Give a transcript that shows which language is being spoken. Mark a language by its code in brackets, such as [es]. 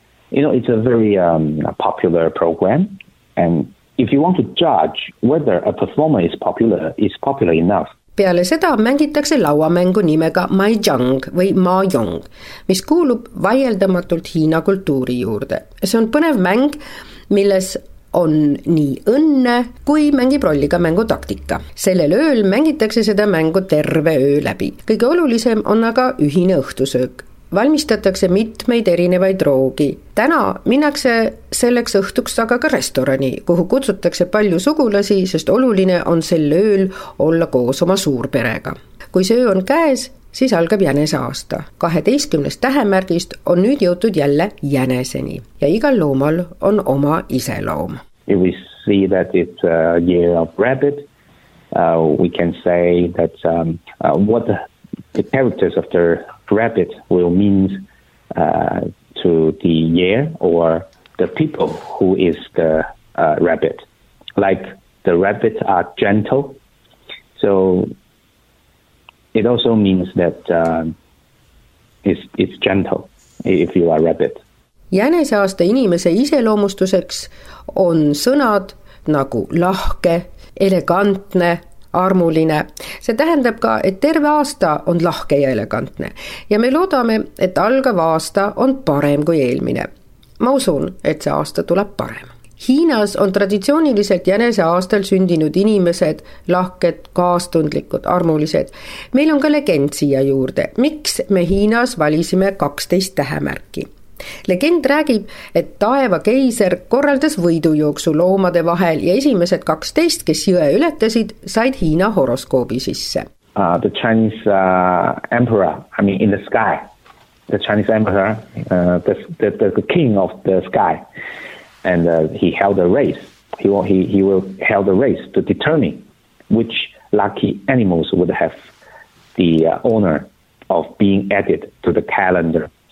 [en] You know, it's a very popular program, and if you want to judge whether a performer is popular enough. [et] Peale seda mängitakse lauamängu nimega Mahjong või Mahjong, mis kuulub vaieldamatult Hiina kultuuri juurde. See on põnev mäng, milles on nii õnne, kui mängib rolliga mängu taktika. Sellel ööl mängitakse seda mängu terve öö läbi. Kõige olulisem on aga ühine õhtusöök. Valmistatakse mitmeid erinevaid roogi. Täna minnakse selleks õhtuks aga ka restorani, kuhu kutsutakse palju sugulasi, sest oluline on sel ööl olla koos oma suurperega. Kui see öö on käes, siis algab jänese aasta. 12. tähemärgist on nüüd jõutud jälle jäneseni ja igal loomal on oma iseloom. [en] If we see that it's a year of rabbit, we can say that what the characters of the rabbit will mean to the year or the people who is the rabbit. Like the rabbit are gentle, so it also means that it's gentle if you are rabbit. [et] Jänese aasta inimese iseloomustuseks on sõnad nagu lahke, elegantne, armuline. See tähendab ka, et terve aasta on lahke ja elegantne. Ja me loodame, et algav aasta on parem kui eelmine. Ma usun, et see aasta tuleb parem. Hiinas on traditsiooniliselt jänese aastal sündinud inimesed, lahked, kaastundlikud, armulised. Meil on ka legend siia juurde, miks me Hiinas valisime 12 tähemärki. Legend räägib, et taeva keiser korraldas võidujooksu loomade vahel ja esimesed 12, kes jõe ületasid, said Hiina horoskoobi sisse. [en] The Chinese emperor, I mean in the sky, the Chinese emperor, the king of the sky, and he held a race. He will held a race to determine which lucky animals would have the honor of being added to the calendar.